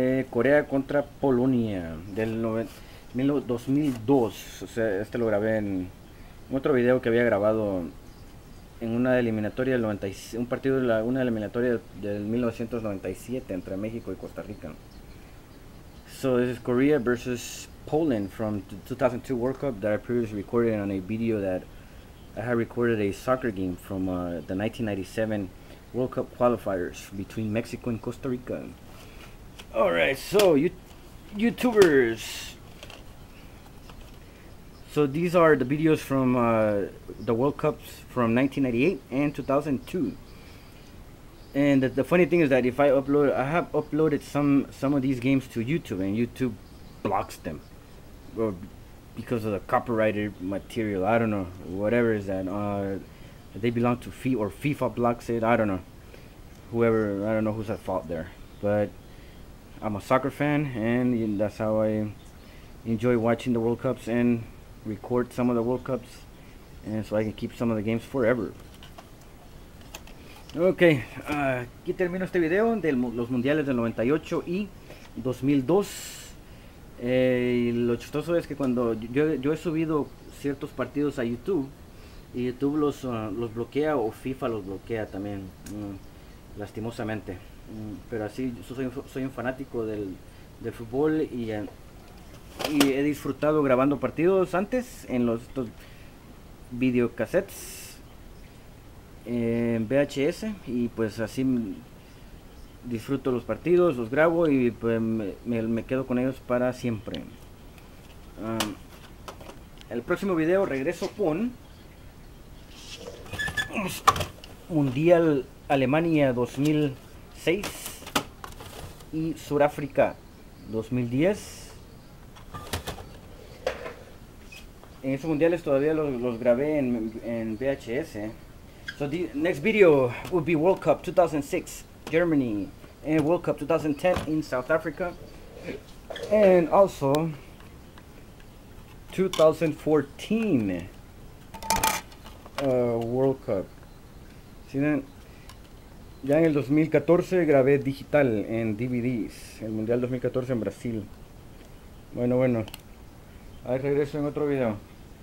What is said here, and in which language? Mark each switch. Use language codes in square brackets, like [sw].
[es] Corea contra Polonia del 2002. O sea, este lo grabé en otro video que había grabado. En una eliminatoria del 97, un partido de la una eliminatoria del 1997 entre México y Costa Rica. [en] So this is Korea versus Poland from the 2002 World Cup that I previously recorded on a video that I had recorded a soccer game from the 1997 World Cup qualifiers between Mexico and Costa Rica. All right, so YouTubers. So these are the videos from the World Cups from 1998 and 2002. And the funny thing is that if I upload, I have uploaded some of these games to YouTube, and YouTube blocks them, or because of the copyrighted material. I don't know, whatever is that. They belong to FIFA, or FIFA blocks it. I don't know. Whoever, I don't know who's at fault there. But I'm a soccer fan, and that's how I enjoy watching the World Cups and record some of the World Cups, and so I can keep some of the games forever. [es] Okay, aquí termino este video de los mundiales del 98 y 2002. Lo chistoso es que cuando yo he subido ciertos partidos a YouTube, y YouTube los bloquea, o FIFA los bloquea también, lastimosamente. Pero así, yo soy un fanático del fútbol y y he disfrutado grabando partidos antes en estos videocassettes en VHS, y pues así disfruto los partidos, los grabo y pues me quedo con ellos para siempre. El próximo video regreso con Mundial Alemania 2006 y Sudáfrica 2010. En esos mundiales todavía los grabé en VHS. [en] So the next video will be World Cup 2006 Germany and World Cup 2010 in South Africa, and also 2014 World Cup. [es] ¿Sí ven? Ya en el 2014 grabé digital en DVDs el Mundial 2014 en Brasil. Bueno, ahí regreso en otro video.